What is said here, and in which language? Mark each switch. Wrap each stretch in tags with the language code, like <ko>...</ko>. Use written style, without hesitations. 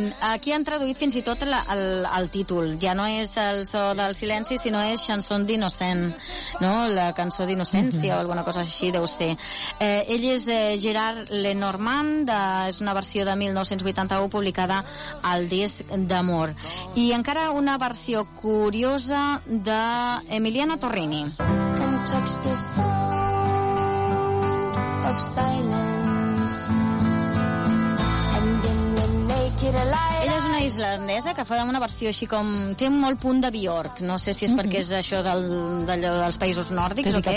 <ca>Aquí han traduït fins i tot el títol. Ja no és El so del silenci, sinó és Chanson d'innocent, no? La cançó d'innocència, mm-hmm, o alguna cosa així, deu ser. Ell és Gérard Lenormand, és una versió de 1981 publicada al disc d'Amor. I encara una versió curiosa d'Emiliana Torrini.</ca> <en>Touch the sound of silence, and in the naked light.</en> <ca>Ella és una islandesa que fa una versió així com... té molt punt de Björk. No sé si és perquè és això dels països nòrdics o què.</ca>